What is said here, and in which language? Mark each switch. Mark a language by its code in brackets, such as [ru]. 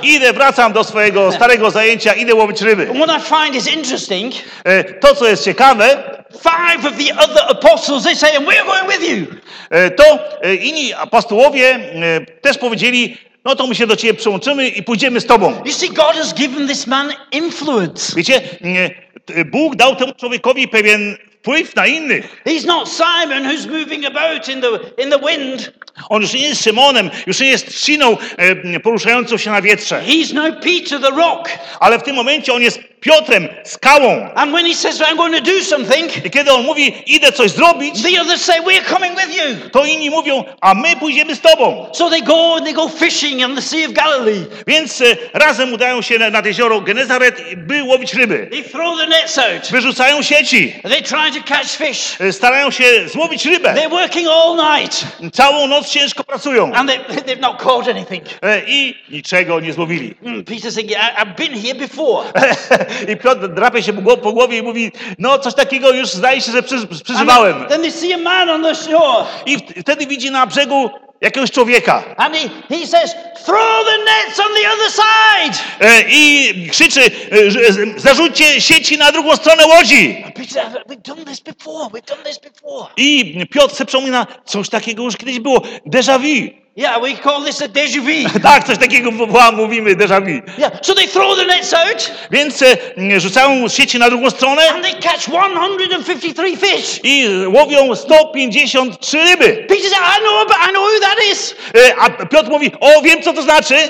[pl] Idę, wracam do swojego starego zajęcia, idę łowić ryby. [en] And what I find is interesting. [pl] To, co jest ciekawe, [en] five of the other apostles, they say, and we're going with you. [pl] To inni apostołowie też powiedzieli, no to my się do ciebie przyłączymy i pójdziemy z tobą. [en] You see, God has given this man influence. [pl] Wiecie, Bóg dał temu człowiekowi pewien wpływ na innych. [en] He's not Simon who's moving about in the wind. [pl] On już nie jest Szymonem, już nie jest trzciną poruszającą się na wietrze. [en] He's no Peter the rock. [pl] Ale w tym momencie on jest Piotrem, skałą. [en] And when he says, I'm going to do something, [pl] i kiedy on mówi, idę coś zrobić, [en] the others say, we're coming with you. [pl] To inni mówią, a my pójdziemy z tobą. [en] So they go fishing on the Sea of Galilee. [pl] Więc razem udają się na jezioro Genezaret, by łowić ryby. [en] They throw the nets out. [pl] Wyrzucają sieci. [en] They try to catch fish. [pl] Starają się złowić rybę. [en] They're working all night. [pl] Całą noc ciężko pracują. [en] And they've not caught anything. [pl] I niczego nie złowili. [en] Peter said, I've been here before. [pl] I Piotr drapie się po głowie i mówi, no coś takiego już zdaje się, że przeżywałem. [en] Then they see a man on the shore. [pl] I wtedy widzi na brzegu jakiegoś człowieka. [en] And he says, throw the nets on the other side. [pl] I krzyczy, zarzućcie sieci na drugą stronę łodzi. [en] Peter, we've done this before, we've done this before. [pl] I Piotr se przypomina, coś takiego już kiedyś było, déjà vu. [en] Yeah, we call this a déjà vu. [pl] Tak, coś takiego mówimy, déjà vu. [en] Yeah, so they throw the nets out. [pl] Więc rzucają sieci na drugą stronę. [en] And they catch 153 fish. [pl] I łowią 153 ryby. [en] Peter says, I know who that is. [pl] A Piotr mówi, o, wiem, co to znaczy.